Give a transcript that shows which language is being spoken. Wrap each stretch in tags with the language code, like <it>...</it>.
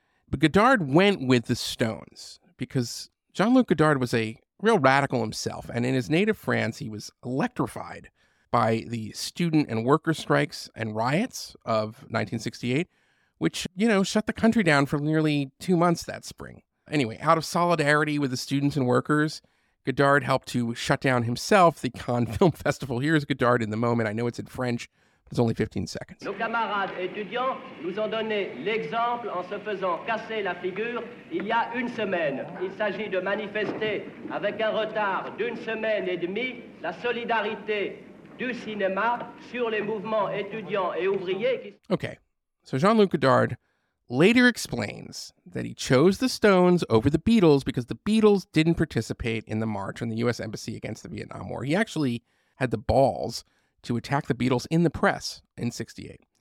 <en>But Godard went with the Stones, because Jean-Luc Godard was a real radical himself, and in his native France, he was electrified by the student and worker strikes and riots of 1968, which, you know, shut the country down for nearly 2 months that spring. Anyway, out of solidarity with the students and workers, Godard helped to shut down himself the Cannes Film Festival. Here's Godard in the moment. I know it's in French, but it's only 15 seconds.</en> <fr>Nos camarades étudiants nous ont donné l'exemple en se faisant casser la figure il y a une semaine. Il s'agit de manifester avec un retard d'une semaine et demie la solidarité du cinéma sur les mouvements étudiants et ouvriers.</fr> <en>Okay, so Jean-Luc Godard later explains that he chose the Stones over the Beatles because the Beatles didn't participate in the march on the U.S. Embassy against the Vietnam War. He actually had the balls to attack the Beatles in the press in 68.</en>